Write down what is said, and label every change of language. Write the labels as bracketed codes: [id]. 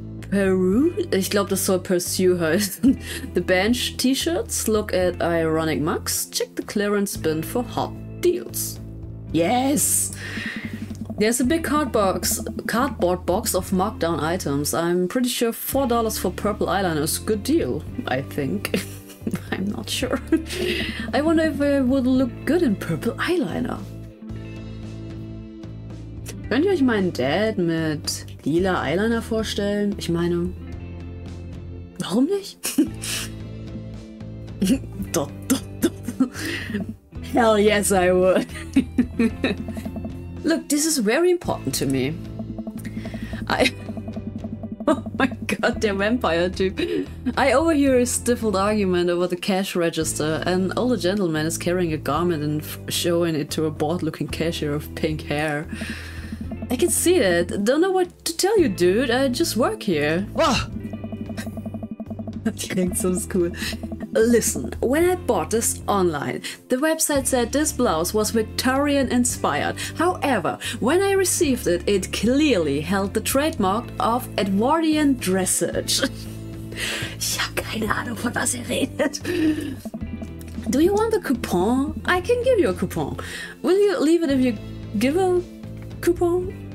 [en] Peru? [de] Ich glaube, das soll Pursue heißen. [en] The Bench T-Shirts, look at Ironic Max, check the clearance bin for hot deals. Yes! There's a big cardboard box of markdown items. I'm pretty sure $4 for purple eyeliner is a good deal, I think. I'm not sure. I wonder if it would look good in purple eyeliner. [de] Könnt ihr euch meinen Dad mit lila Eyeliner vorstellen? Ich meine, warum nicht? [en] Hell yes, I would. Look, this is very important to me. Oh my god, [de] der Vampire Typ. [en] I overhear a stifled argument over the cash register. An older gentleman is carrying a garment and showing it to a bored looking cashier of pink hair. I can see that. Don't know what to tell you, dude. I just work here. Oh. [de] Die klingt so cool. [en] Listen, when I bought this online, the website said this blouse was Victorian inspired. However, when I received it, it clearly held the trademark of Edwardian dressage. [de] Ich hab keine Ahnung, von was ihr redet. [en] Do you want a coupon? I can give you a coupon. Will you leave it if you give a coupon?